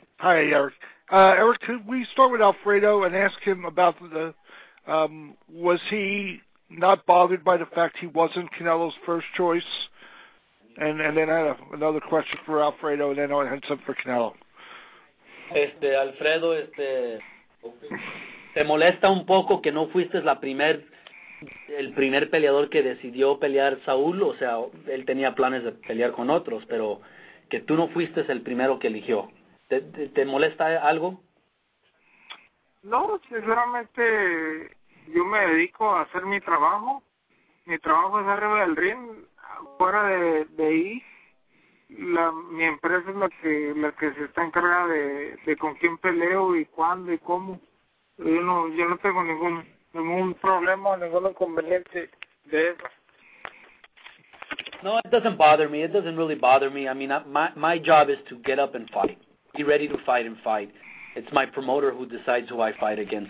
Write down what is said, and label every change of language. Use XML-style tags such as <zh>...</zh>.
<en>Hi, Eric. Eric, could we start with Alfredo and ask him about the was he not bothered by the fact he wasn't Canelo's first choice? And then I had another question for Alfredo, and then I had some for Canelo.</en> <es>Alfredo, ¿te molesta un poco que no fuiste el primer peleador que decidió pelear Saúl? O sea, él tenía planes de pelear con otros, pero que tú no fuiste el primero que eligió. ¿Te molesta algo? No, sinceramente, yo me dedico a hacer mi trabajo. Mi trabajo es arriba del ring. Fuera de ahí, mi empresa es la que se está encargada de con quién peleo y cuándo y cómo. Yo no tengo ningún problema, ningún inconveniente de eso.</es> <en>No, it doesn't bother me. It doesn't really bother me. I mean, my job is to get up and fight. Be ready to fight and fight. It's my promoter who decides who I fight against.</en>